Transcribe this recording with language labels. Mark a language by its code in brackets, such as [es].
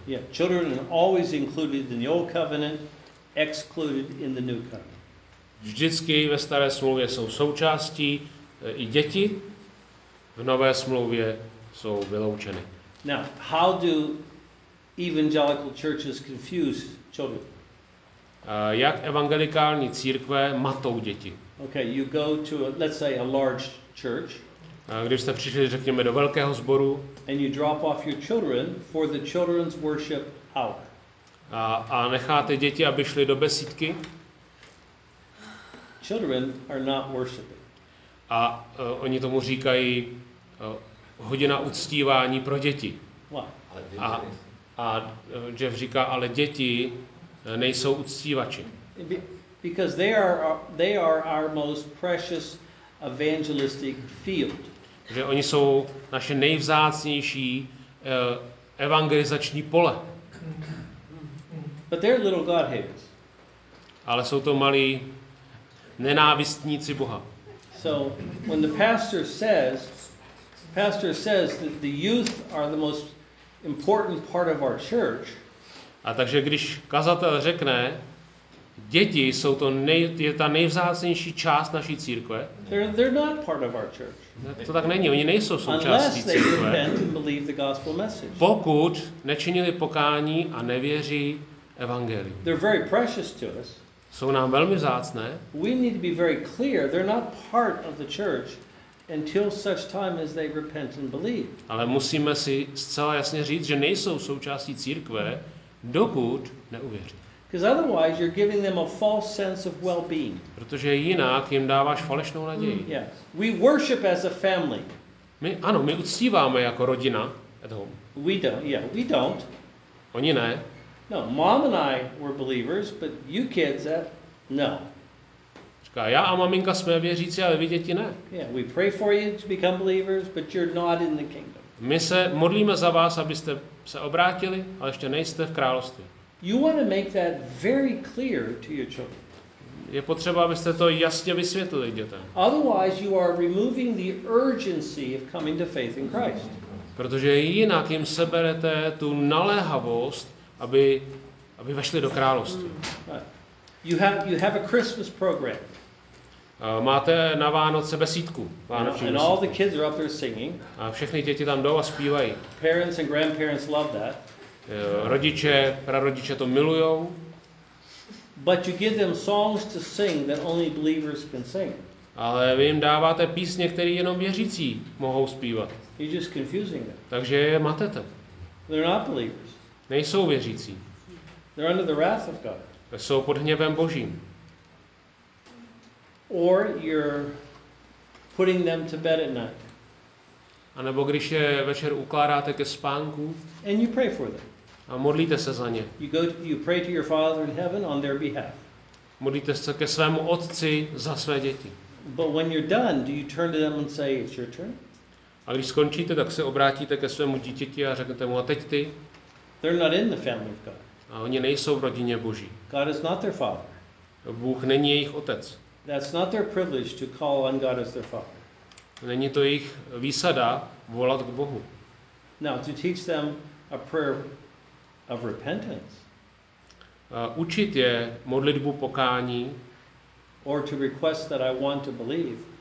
[en] Yeah, children are always included in the old covenant, excluded in the new covenant. [cs] Vždycky ve staré smlouvě jsou součástí i děti, v nové smlouvě jsou vyloučeny. [en] Now, how do evangelical churches confuse children? [cs] Jak evangelikální církve matou děti? [en] Okay, you go to let's say a large church. [cs] Když jste přišli, řekněme, do velkého sboru. [en] And you drop off your children for the children's worship hour. [cs] A necháte děti, aby šli do besídky? [en] Children are not worshiping. [cs] A oni tomu říkají hodina uctívání pro děti. A Jeff říká, ale děti nejsou uctívači. [en] Because they are our most precious evangelistic field. [cs] Že oni jsou naše nejvzácnější evangelizační pole. [en] But they're little God haters. [cs] Ale jsou to malí nenávistníci Boha. [en] So when the pastor says that the youth are the most important part of our church. [cs] A takže když kazatel řekne, děti jsou to je ta nejvzácnější část naší církve. [en] They're not part of our church. [cs] To tak není, oni nejsou součástí církve. [en] Unless they believe the gospel message. [cs] Pokud nečinili pokání a nevěří evangelium. [en] They're very precious to us. [cs] Jsou nám velmi vzácné. [en] We need to be very clear, they're not part of the church until such time as they repent and believe. [cs] Ale musíme si zcela jasně říct, že nejsou součástí církve, dokud neuvěří. [en] Because otherwise you're giving them a false sense of well-being. [cs] Protože jinak jim dáváš falešnou naději. [en] Yes. We worship as a family. [cs] My uctíváme jako rodina [en] at home. We don't. [cs] Oni ne. [en] No, mom and I were believers, but you kids, no. [cs] Říká, já a maminka jsme věřící, ale vy děti ne. [en] Yeah, we pray for you to become believers, but you're not in the kingdom. [cs] My se modlíme za vás, abyste se obrátili, ale ještě nejste v království. [en] You want to make that very clear to your children. [cs] Je potřeba, abyste to jasně vysvětlili dětem. [en] Otherwise, you are removing the urgency of coming to faith in Christ. [cs] Protože jinak jim seberete tu naléhavost, aby vešli do království. [en] You have a Christmas program. [cs] Máte na Vánoce besídku. [en] And all the kids are up there singing. [cs] A všechny děti tam jdou a zpívají. [en] Parents and grandparents love that. [cs] Rodiče, prarodiče to milujou. [en] But you give them songs to sing that only believers can sing. [cs] Ale vy jim dáváte písně, které jenom věřící mohou zpívat. [en] You're just confusing them. [cs] Takže je matete. [en] They're not believers. [cs] Nejsou věřící. [en] They're under the wrath of God. [cs] Jsou pod hněvem Božím. [en] Or you're putting them to bed at night. [cs] A nebo když je večer ukládáte ke spánku. [en] And you pray for them. [cs] A modlíte se za ně. [en] You pray to your Father in heaven on their behalf. [cs] Modlíte se ke svému Otci za své děti. [en] But when you're done, do you turn to them and say it's your turn? [cs] A když skončíte, tak se obrátíte ke svému dítěti a řeknete mu a teď ty. [en] They're not in the family of God. [cs] A oni nejsou v rodině Boží. [en] God is not their father. [cs] Bůh není jejich otec. [en] That's not their privilege to call on God as their father. [cs] Není to jejich výsada volat k Bohu. [en] Now to teach them a prayer of repentance. [cs] Učit je modlitbu pokání. [en] Or to request that I want to believe.